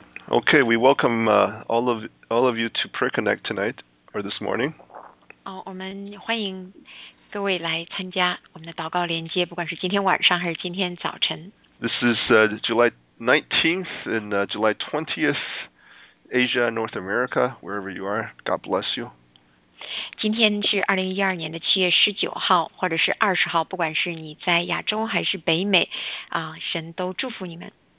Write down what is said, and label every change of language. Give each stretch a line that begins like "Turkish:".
English: Okay, we welcome all of you to Prayer Connect tonight or this morning.
Chinese: 我们欢迎各位来参加我们的祷告连接, 不管是今天晚上还是今天早晨。
English: This is July 19th and July 20th, Asia, North America, wherever you are. God bless you.
Chinese: 今天是2012年的7月19号或者是20号, 不管是你在亚洲还是北美, 神都祝福你们。